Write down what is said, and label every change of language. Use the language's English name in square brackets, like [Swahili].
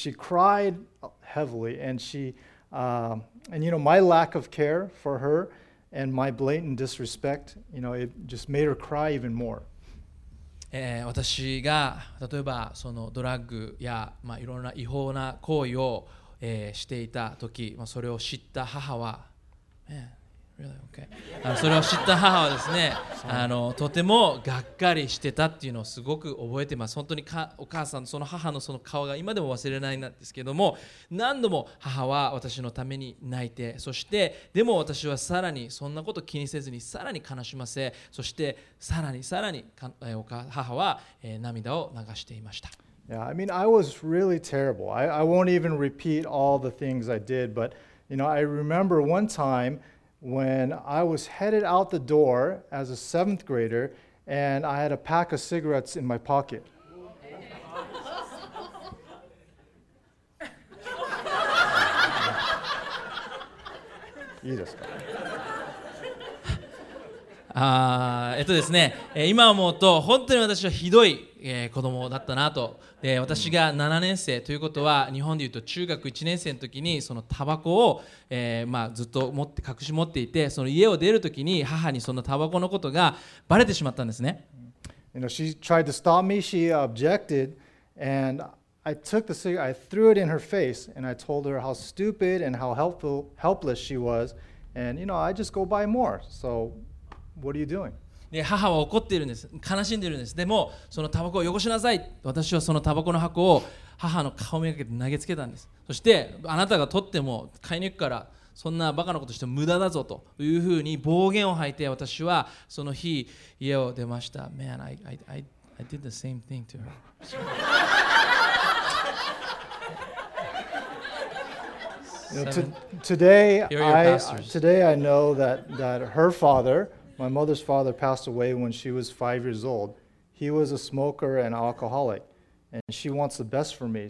[English] She cried heavily, and she, and you know, my lack of care for her and my blatant disrespect, you know, it just made her cry even more. [Japanese] 私が例えばそのドラッグやまあいろんな違法な行為を、していた時、まあ、それを知った母は。 [English] Really? Okay. [Japanese] それを知った母はですね、とてもがっかりしてたっていうのをすごく覚えてます。本当にかお母さんその母のその顔が今でも忘れないんですけども、何度も母は私のために泣いて、そしてでも私はさらにそんなこと気にせずにさらに悲しませ、そしてさらにさらに母は、涙を流していました。 [English] Yeah, I mean, I was really terrible. I won't even repeat all the things I did, but you know, I remember one time. When I was headed out the door as a seventh grader, and I had a pack of cigarettes in my pocket. [Japanese] いいですか? ですね、今思うと本当に私はひどい、子供だったなと。で、私が7年生ということは日本でいうと中学1年生の時にそのタバコを、まあ、ずっと持って隠し持っていて、その家を出る時に母にそのタバコのことがバレてしまったんですね。 [English] You know, she tried to stop me. She objected, and I took the cigarette. I threw it in her face, and I told her how stupid and how helpless she was. And you know, I just go buy more. So, what are you doing? [Japanese] で母は怒っているんです。悲しんでいるんです。でもそのタバコを汚しなさい。私はそのタバコの箱を母の顔をめがけて投げつけたんです。そしてあなたが取っても買いに行くからそんなバカなことしても無駄だぞというふうに暴言を吐いて、私はその日家を出ました。 [English] Man, I did the same thing to her. Today I know that her father. My mother's father passed away when she was 5 years old. He was a smoker and alcoholic, and she wants the best for me.